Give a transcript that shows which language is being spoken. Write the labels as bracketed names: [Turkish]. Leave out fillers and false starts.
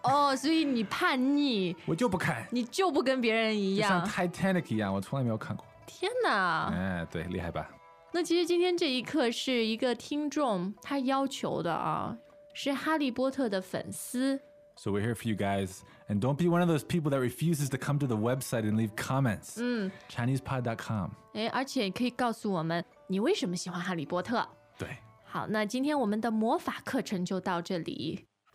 [Chinese] 哦，所以你叛逆。我就不看。你就不跟别人一样。就像 Titanic 一样，我从来没有看过。天哪。哎，对，厉害吧。那其实今天这一课是一个听众他要求的啊，是哈利波特的粉丝。 [English] So we're here for you guys. And don't be one of those people that refuses to come to the website and leave comments. ChinesePod.com. [Chinese] 哎，而且可以告诉我们你为什么喜欢哈利波特。对。好，那今天我们的魔法课程就到这里。